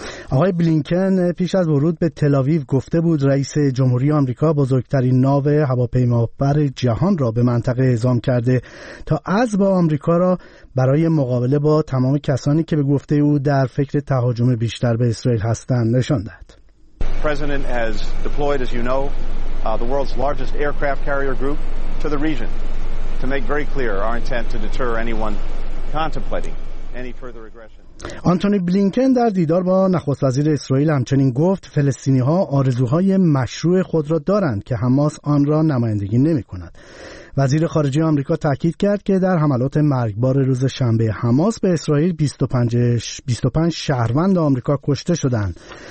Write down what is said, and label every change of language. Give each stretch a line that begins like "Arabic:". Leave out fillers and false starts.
Persian: آقای بلینکن پیش از ورود به تل آویو گفته بود رئیس جمهوری آمریکا بزرگترین ناو هواپیمابر جهان را به منطقه اعزام کرده تا عزم آمریکا را برای مقابله با تمام کسانی که به گفته او در فکر تهاجم بیشتر به اسرائیل هستند نشان داد.
English: President has deployed, as you know, the world's largest aircraft carrier group to the region to make very clear our intent to deter anyone contemplating any further aggression.
Persian: آنتونی بلینکن در دیدار با نخست وزیر اسرائیل همچنین گفت فلسطینی‌ها آرزوهای مشروع خود را دارند که حماس آن را نمایندگی نمی‌کند. وزیر خارجه آمریکا تأکید کرد که در حملات مرگبار روز شنبه حماس به اسرائیل 25 شهروند آمریکا کشته شدند.